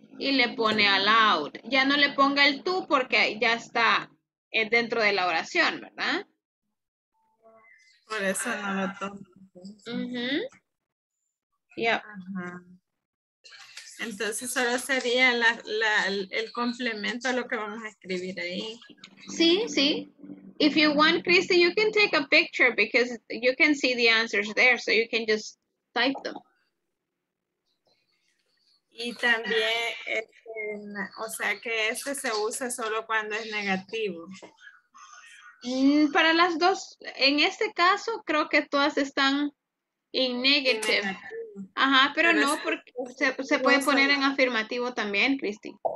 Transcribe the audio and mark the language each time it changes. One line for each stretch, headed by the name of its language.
Spanish: Y le pone allowed. Ya no le ponga el to porque ya está dentro de la oración, ¿verdad? Por eso no lo tomo. Uh-huh. Yep. Entonces solo sería el complemento a lo que vamos a escribir ahí. Sí, sí.
English: If you want, Christy, you can take a picture because you can see the answers there, so you can just type them.
Spanish: Y también, o sea, que este se usa solo cuando es negativo. Para las dos, en este caso, creo que todas están
English: in negative.
Spanish: Ajá, pero no, porque se puede poner en afirmativo también, Christy.